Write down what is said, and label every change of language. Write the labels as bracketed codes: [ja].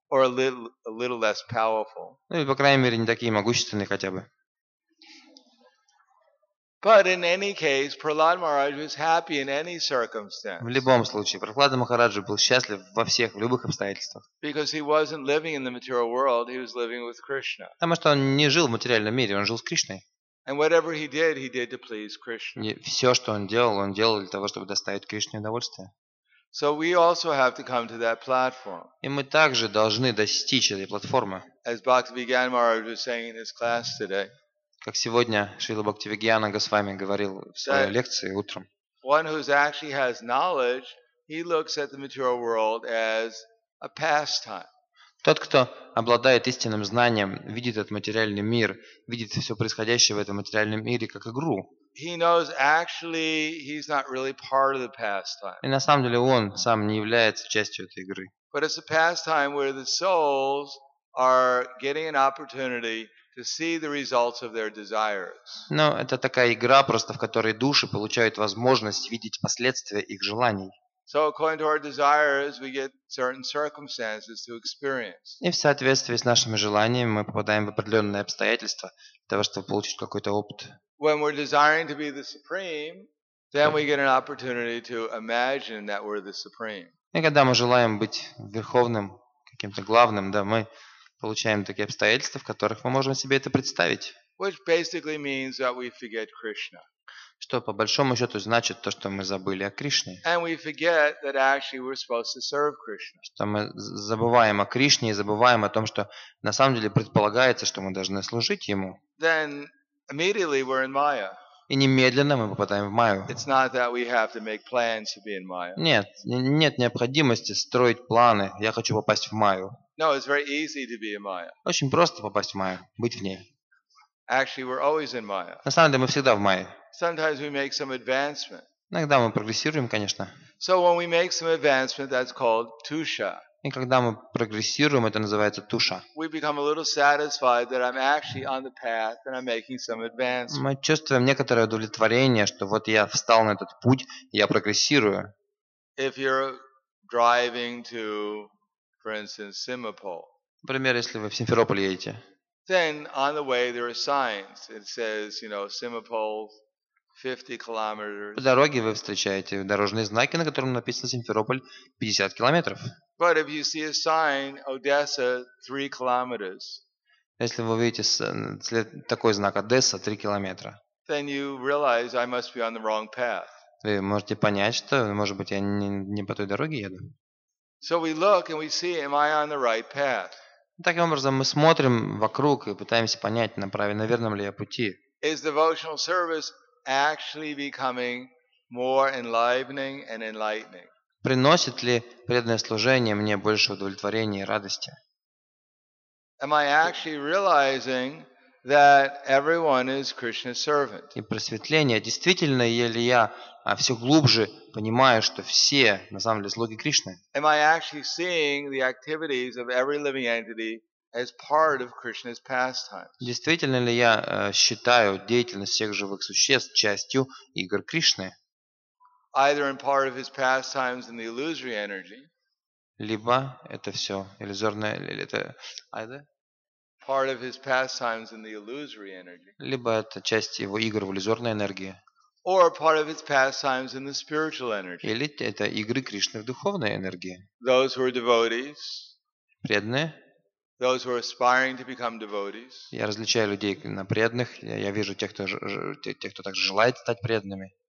[en] Or a little less powerful. [ru] Ну и по крайней мере не такие могущественные хотя бы. [en] But in any case, Prahlad Maharaj was happy in any circumstance. [ru] В любом случае, Прохлада Махараджа был счастлив во всех, в любых обстоятельствах. [en] Because he wasn't living in the material world, he was living with Krishna. [ru] Потому что он не жил в материальном мире, он жил с Кришной. [en] And whatever he did to please Krishna. [ru] Все, что он делал для того, чтобы доставить Кришне удовольствие. [en] So we also have to come to that platform. [ru] И мы также должны достичь этой платформы. [en] As Bhaktivedanta Maharaj was saying in his class today. [ru] Как сегодня Шрила Бхактивиджнана Госвами говорил в своей лекции утром. [en] One who actually has knowledge, he looks at the material world as a pastime. [ru] Тот, кто обладает истинным знанием, видит этот материальный мир, видит все происходящее в этом материальном мире как игру. [en] He knows actually he's not really part of the pastime. [ru] И на самом деле он сам не является частью этой игры. [en] But it's a pastime where the souls are getting an opportunity to see the results of their desires. [ru] Но это такая игра просто, в которой души получают возможность видеть последствия их желаний. [en] So according to our desires, we get certain circumstances to experience. [ru] И в соответствии с нашими желаниями мы попадаем в определенные обстоятельства для того, чтобы получить какой-то опыт. [en] When we're desiring to be the supreme, then we get an opportunity to imagine that we're the supreme. [ru] И когда мы желаем быть верховным, каким-то главным, да, мы получаем такие обстоятельства, в которых мы можем себе это представить. [en] Which basically means that we forget Krishna. [ru] Что по большому счету значит то, что мы забыли о Кришне. [en] And we forget that actually we're supposed to serve Krishna. [ru] Что мы забываем о Кришне и забываем о том, что на самом деле предполагается, что мы должны служить ему. [en] Then immediately we're in Maya. [ru] И немедленно мы попадаем в Майю. [en] It's not that we have to make plans to be in Maya. [ru] Нет необходимости строить планы. Я хочу попасть в Майю. [en] No, it's very easy to be in Maya. [ru] Очень просто попасть в Майю, быть в ней. [en] Actually, we're always in Maya. [ru] На самом деле мы всегда в Майе. [en] Sometimes we make some advancement. [ru] Иногда мы прогрессируем, конечно. [en] So when we make some advancement, that's called tusha. [ru] И когда мы прогрессируем, это называется туша. [en] We become a little satisfied that I'm actually on the path and I'm making some advancement. [ru] Мы чувствуем некоторое удовлетворение, что вот я встал на этот путь, я прогрессирую. [en] If you're driving to, for instance, Simferopol. [ru] Например, если вы в Симферополь едете. [en] Then on the way there are signs. It says, you know, Simferopol 50 kilometers. [ru] По дороге вы встречаете дорожные знаки, на котором написано Симферополь 50 километров. [en] But if you see a sign Odessa 3 kilometers. [ru] Если вы видите такой знак Одесса 3 километра. [en] Then you realize I must be on the wrong path. [ru] Вы можете понять, что, может быть, я не по той дороге еду. [en] So we look and we see, am I on the right path? [ru] Таким образом мы смотрим вокруг и пытаемся понять, на верном ли я пути. [en] Is devotional service actually becoming more enlivening and enlightening? [ru] Приносит ли преданное служение мне больше удовлетворения и радости? [en] Am I actually realizing that everyone is Krishna's servant? [ru] И просветление, действительно ли я все глубже понимаю, что все на самом деле слуги Кришны? [en] Am I actually seeing the activities of every living entity as part of Krishna's pastimes? [ru] Действительно ли я считаю деятельность всех живых существ частью игр Кришны? [en] Either in part of his pastimes in the illusory energy. [ru] Либо это все иллюзорное, или это [en] either? Part of his pastimes in the illusory energy. [ru] Либо это часть его игр в иллюзорной энергии. [en] Or part of its pastimes in the spiritual energy. [ru] Или это игры Кришны в духовной энергии. [en] Those who are devotees. [ru] Преданные. [en] Those who are aspiring to become devotees. [ru] Я различаю людей на преданных. Я вижу тех, кто также желает стать преданными.